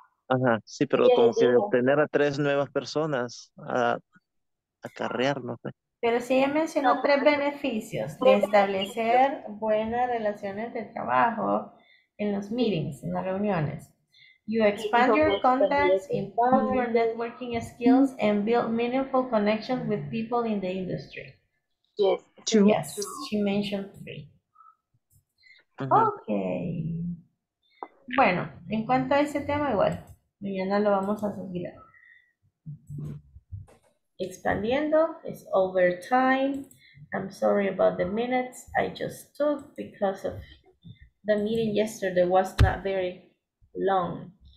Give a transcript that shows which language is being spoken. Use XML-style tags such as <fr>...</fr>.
<es>Ajá, sí, pero ella como dijo, que obtener a tres nuevas personas a carrear, no sé. Pero sí, ella mencionó tres beneficios de establecer buenas relaciones de trabajo en los meetings, en las reuniones.</es> <en>You expand your contacts, improve your networking skills, and build meaningful connections with people in the industry. Yes, true. Yes, she mentioned three. Mm-hmm. Okay.</en> <es>Bueno, en cuanto a ese tema, igual, mañana lo vamos a seguir. Expandiendo,</es> <en>it's over time. I'm sorry about the minutes I just took because of the meeting yesterday was not very long.</en>